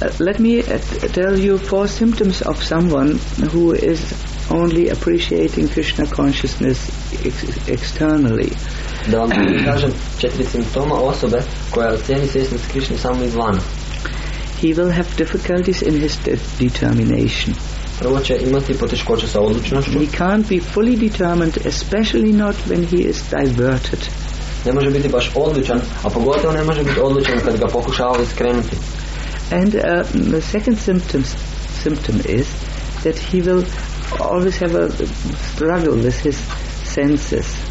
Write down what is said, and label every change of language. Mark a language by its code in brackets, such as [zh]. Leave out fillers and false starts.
[en] Let me tell you four symptoms of someone who is only appreciating Krishna consciousness externally. [hr] Da vam kažem četiri simptoma osobe koja ocjeni svjesnost Krishna samo izvana. [en] He will have difficulties in his determination. [hr] Prvo će imati poteškoće sa odlučnošću. [en] He can't be fully determined, especially not when he is diverted. [hr] Ne može biti baš odlučan, a pogotovo ne može biti odlučan kad ga pokušava iskrenuti. [en] And the second symptom is that he will always have a struggle with his senses.